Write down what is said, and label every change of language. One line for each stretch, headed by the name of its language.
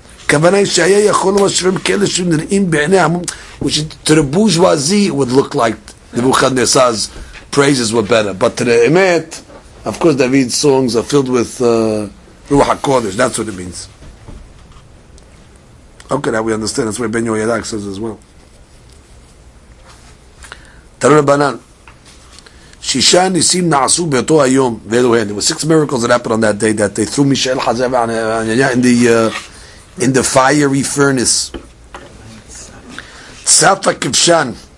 Hebrew: כוונה היא שהיה יכול למשרים כאלה שנראים בעיני המון,
English: which to the bourgeoisie would look like Nebuchadnezzar's praises were better. But to the emet, of course David's songs are filled with Ruach HaKodesh, that's what it means. Okay, now we understand, that's what Ben Yoyadak says as well.
Hebrew: Tarun Rabbanan, שישה ניסים נעשו באותו היום, ואלוהן.
English: There were six miracles that happened on that day, that they threw Mishael Hazev in the fiery furnace.
Hebrew: צף הכבשן.